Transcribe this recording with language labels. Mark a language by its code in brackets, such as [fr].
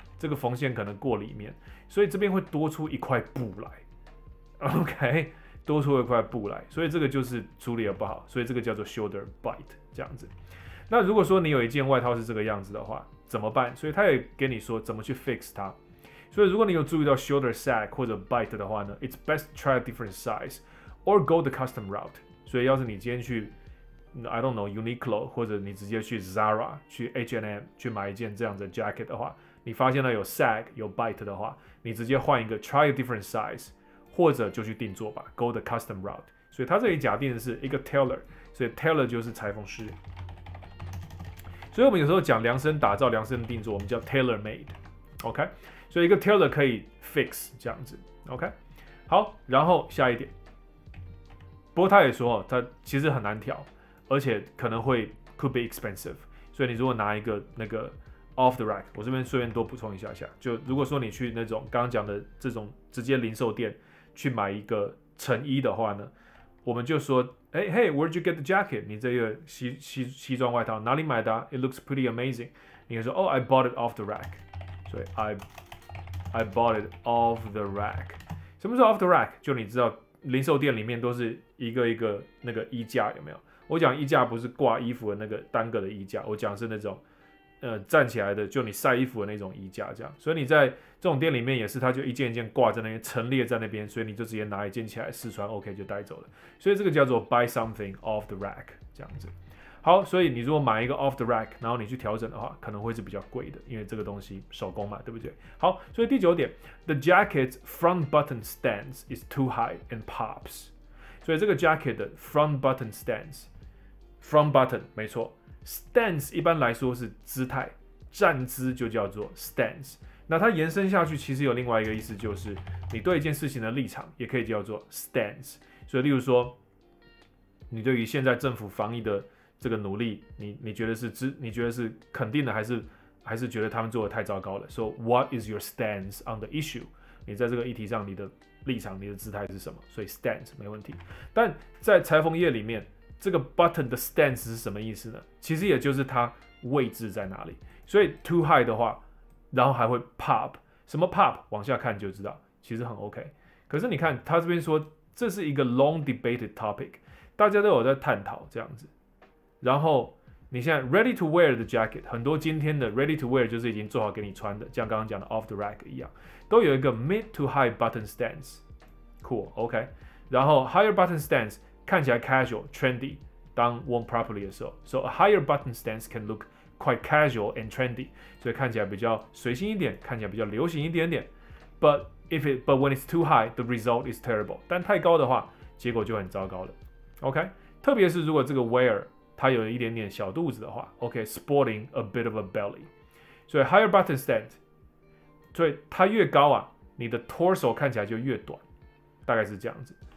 [zh] 这个缝线可能过里面，所以这边会多出一块布来。 OK， 多出一块布来，所以这个就是处理的不好，所以这个叫做 shoulder bite 这样子。那如果说你有一件外套是这个样子的话怎么办？所以他也给你说怎么去 fix 它。所以如果你有注意到 shoulder sag 或者 bite 的话呢， [en] it's best to try a different size or go the custom route。 [zh] 所以要是你今天去 I don't know Uniqlo 或者你直接去 Zara 去 H&M 去买一件这样的 jacket 的话，你发现了有 sag 有 bite 的话，你直接换一个 [en] try a different size， [zh] 或者就去定做吧， [en] go the custom route。 [zh] 所以他这里假定的是一个 tailor， 所以 tailor 就是裁缝师。所以我们有时候讲量身打造量身定做，我们叫 tailor made。OK， 所以一个 tailor 可以 fix 这样子。 OK， 好，然后下一点，不过他也说他其实很难调，而且可能会 [en] could be expensive， [zh] 所以你如果拿一个那个 off the rack， 我这边顺便多补充一下下，就如果说你去那种刚刚讲的这种直接零售店去买一个成衣的话呢，我们就说，哎、hey, ， [en] Hey，where'd you get the jacket？ [zh] 你这个西装外套哪里买的、啊、？ [en] It looks pretty amazing。 [zh] 你可以说 [en] ，Oh， I bought it off the rack。 所以 I bought it off the rack。 [zh] 什么是 [en] off the rack？ [zh] 就你知道，零售店里面都是一个一个那个衣架，有没有？我讲衣架不是挂衣服的那个单个的衣架，我讲是那种站起来的，就你晒衣服的那种衣架这样。所以你在这种店里面也是，它就一件一件挂在那边，陈列在那边，所以你就直接拿一件起来试穿 ，OK 就带走了。所以这个叫做 buy something off the rack 这样子。好，所以你如果买一个 off the rack， 然后你去调整的话，可能会是比较贵的，因为这个东西手工嘛，对不对？ [en] 好， [zh] 所以第九点 [en] ，the jacket's front button stands is too high and pops。 [zh] 所以这个 jacket 的 front button stands，front button 没错 ，stands 一般来说是姿态，站姿就叫做 stands。那它延伸下去，其实有另外一个意思，就是你对一件事情的立场也可以叫做 stance。所以，例如说，你对于现在政府防疫的这个努力，你觉得是肯定的，还是觉得他们做的太糟糕了？ [en] So what is your stance on the issue？ [zh] 你在这个议题上，你的立场、你的姿态是什么？所以 stance 没问题。但在裁缝业里面，这个 button 的 stance 是什么意思呢？其实也就是它位置在哪里。所以 too high 的话，然后还会 pop， 什么 pop？往下看就知道，其实很 OK。可是你看他这边说，这是一个 long debated topic， 大家都有在探讨这样子。然后你现在 ready to wear 的 jacket， 很多今天的 ready to wear 就是已经做好给你穿的，像刚刚讲的 off the rack 一样，都有一个 mid to high button stance， cool， OK。 [en] 然后 higher button stance 看起来 casual trendy， 当 worn properly 的时候， so a higher button stance can look quite casual and trendy， [zh] 所以看起来比较随性一点，看起来比较流行一点点。 [en] But when it's too high, the result is terrible。 [zh] 但太高的话，结果就很糟糕了。OK， 特别是如果这个 wear 它有一点点小肚子的话 ，OK， [en] sporting a bit of a belly， [zh] 所以 higher button stance， 所以它越高啊，你的 torso 看起来就越短，大概是这样子。